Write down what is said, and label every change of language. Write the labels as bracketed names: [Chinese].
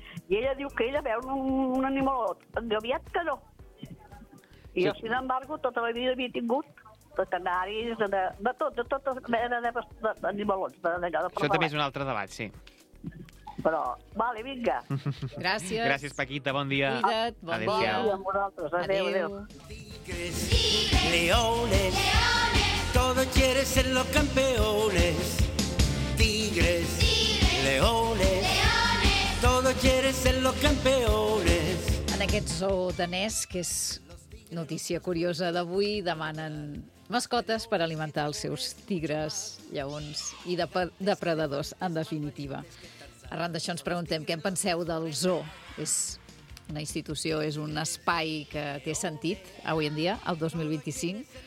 [Catalan] I ella diu que ella veu un animal engaviat que no. I jo, [Spanish] sin embargo, [Catalan] tota la vida havia tingut de canaris, de tot, d'animalons. Això també és un altre debat, sí. Però, vale, vinga. Gràcies. Gràcies, Paquita, bon dia. Cuida't, bon dia. Adéu-siau. Adéu. Adéu. Adéu. [Spanish] Tigres, leones, todos quieren ser los campeones. Tigres, leones, todos quieren ser los campeones. [Catalan] En aquest zoo danès, que és... Notícia curiosa d'avui, demanen mascotes per alimentar els seus tigres, lleons i depredadors, en definitiva. Arran d'això ens preguntem què en penseu del zoo. És una institució, és un espai que té sentit avui en dia, el 2025.